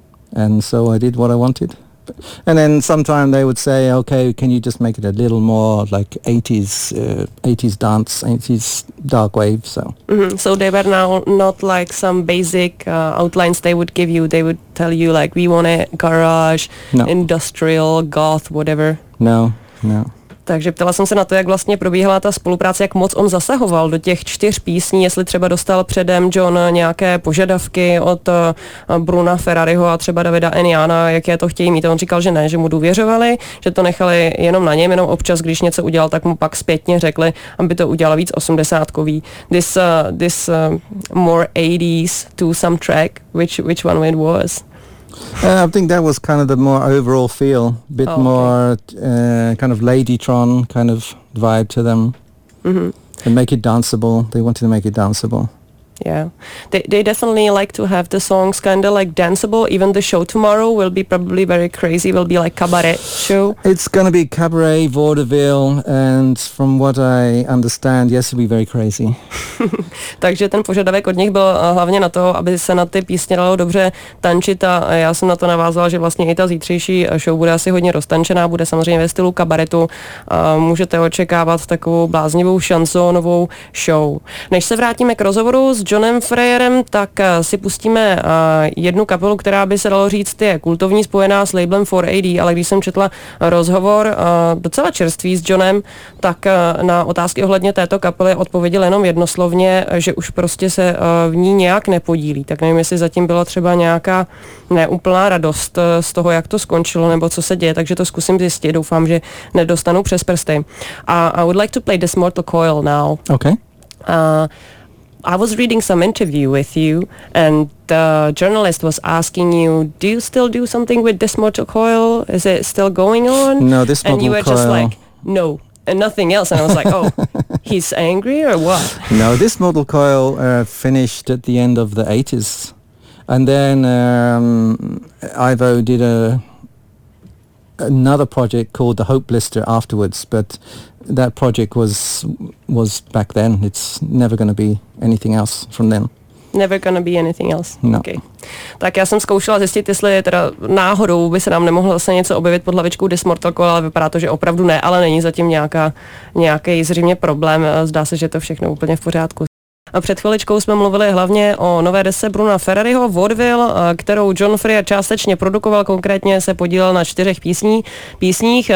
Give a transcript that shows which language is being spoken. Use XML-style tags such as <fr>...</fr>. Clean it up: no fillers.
<en>And so I did what I wanted. And then sometime they would say, okay, can you just make it a little more like 80s dance, 80s dark wave. So mm-hmm. So they were now not like some basic outlines they would give you. They would tell you like, we want a garage, no. industrial, goth, whatever. No.</en> <cs>Takže ptala jsem se na to, jak vlastně probíhala ta spolupráce, jak moc on zasahoval do těch 4 písní, jestli třeba dostal předem John nějaké požadavky od Bruna Ferrariho a třeba Davida Eniana, jak je to chtějí mít. On říkal, že ne, že mu důvěřovali, že to nechali jenom na něm, jenom občas, když něco udělal, tak mu pak zpětně řekli, aby to udělal víc 80-kový.</cs> <en>This more 80s to some track, which one it was? I think that was kind of the more overall feel, bit oh, okay. more kind of Ladytron kind of vibe to them, mm-hmm. and make it danceable. They wanted to make it danceable. Yeah, they definitely like to have the songs kind of like danceable. Even the show tomorrow will be probably very crazy. Will be like cabaret show. It's gonna be cabaret vaudeville, and from what I understand, yes, it'll be very crazy.</en> <cs>Takže ten požadavek od nich byl hlavně na to, aby se na ty písně dalo dobře tančit. A já jsem na to navázala, že vlastně i ta zítřejší show bude asi hodně roztančená, bude samozřejmě ve stylu kabaretu. Můžete očekávat takovou bláznivou šansonovou show. Než se vrátíme k rozhovoru s Johnem Freyerem, tak si pustíme jednu kapelu, která by se dalo říct, je kultovní, spojená s labelem 4AD, ale když jsem četla rozhovor docela čerstvý s Johnem, tak na otázky ohledně této kapely odpověděl jenom jednoslovně, že už prostě se v ní nějak nepodílí. Tak nevím, jestli zatím byla třeba nějaká neúplná radost z toho, jak to skončilo, nebo co se děje, takže to zkusím zjistit, doufám, že nedostanu přes prsty.</cs> <en>I would like to play This Mortal Coil now. Okay. I was reading some interview with you, and the journalist was asking you, do you still do something with This Mortal Coil? Is it still going on? No, This Mortal Coil. And you were coil. Just like, no, and nothing else. And I was like, oh, he's angry or what? No, This Mortal Coil finished at the end of the 80s. And then Ivo did another project called The Hope Blister afterwards, but that project was back then. It's never going to be anything else from then. Never going to be anything else. No. Okay.</en> <cs>Tak já jsem zkoušela zjistit, jestli teda náhodou by se nám nemohlo zase něco objevit pod hlavičkou This Mortal Coil, ale vypadá to, že opravdu ne, ale není zatím nějaký zřejmě problém. Zdá se, že to všechno úplně v pořádku. A před chviličkou jsme mluvili hlavně o nové desce Bruna Ferrariho, Vaudeville, kterou John Freer částečně produkoval, konkrétně se podílel na 4 písních.</cs>